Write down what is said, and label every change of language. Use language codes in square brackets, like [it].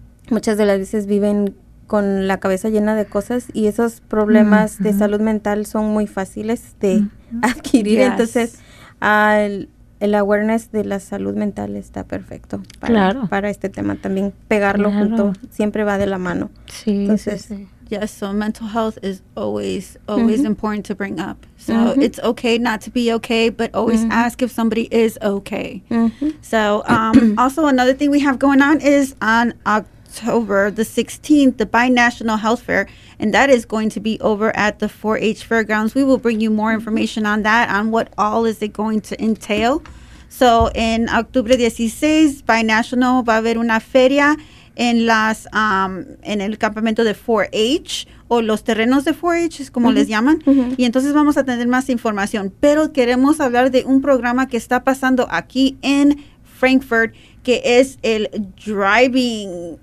[es] Muchas de las veces viven con la cabeza llena de cosas y esos problemas de salud mental son muy fáciles de adquirir. Yes. Entonces, el awareness de la salud mental está perfecto para este tema. También pegarlo junto siempre va de la mano. Sí, entonces, [en] yes, so mental health is always important to bring up. So it's okay not to be okay, but always ask if somebody is okay. So also another thing we have going on is on October the 16th, the Bi-National Health Fair, and that is going to be over at the 4-H Fairgrounds. We will bring you more information on that, on what all is it going to entail. [es] So in October 16th, Bi-National, va a haber una feria en las en el campamento de 4-H, o los terrenos de 4-H, es como les llaman. Y entonces vamos a tener más información, pero queremos hablar de un programa que está pasando aquí en Frankfort, que es el driving.